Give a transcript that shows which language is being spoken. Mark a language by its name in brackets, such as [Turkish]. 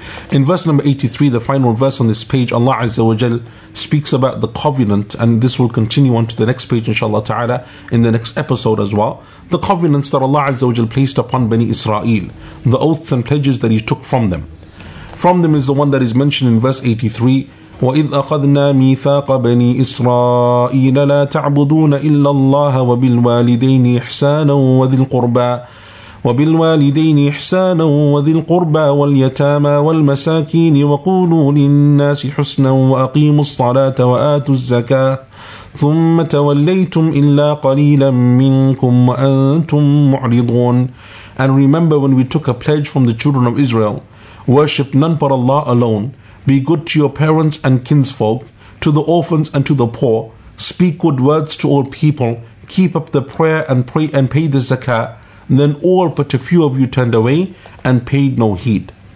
[English] In verse number 83, the final verse on this page, Allah Azza wa Jal speaks about the covenant, and this will continue on to the next page inshallah ta'ala in the next episode as well. The covenants that Allah Azza wa Jal placed upon Bani Israel, the oaths and pledges that He took from them. From them is the one that is mentioned in verse 83, [Arabic] وَإِذْ أَخَذْنَا مِيثَاقَ بَنِي إِسْرَائِيلَ لَا تَعْبُدُونَ إِلَّا اللَّهَ وَبِالْوَالِدَيْنِ إِحْسَانًا وَذِي الْقُرْبَى وبالوالدين إحسانا وذي القربى واليتامى والمساكين وقولوا للناس حسنا وأقيموا الصلاة وآتوا الزكاة ثم توليتم إلا قليلا منكم وأنتم معرضون. [English] And remember when we took a pledge from the children of Israel, worship none but Allah alone, be good to your parents and kinsfolk, to the orphans and to the poor, speak good words to all people, keep up the prayer and pray and pay the zakah. And then all but a few of you turned away and paid no heed.